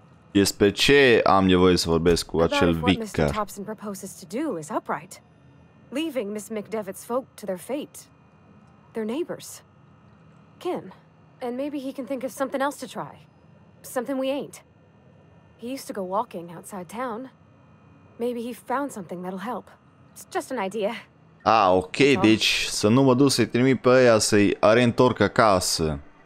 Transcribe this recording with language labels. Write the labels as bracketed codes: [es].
[ro] Despre ce am nevoie să vorbesc cu acel vicar? [en] Mr. Thompson proposes to do is upright. Leaving Miss McDevitt's folk to their fate. Their neighbors. Kin. And maybe he can think of something else to try. Something we ain't. He used to go walking outside town. Maybe he found something that'll help. It's just an idea. [ro] Ah, ok, deci să nu mă duc să-i trimit pe aia să-i reîntorc acasă.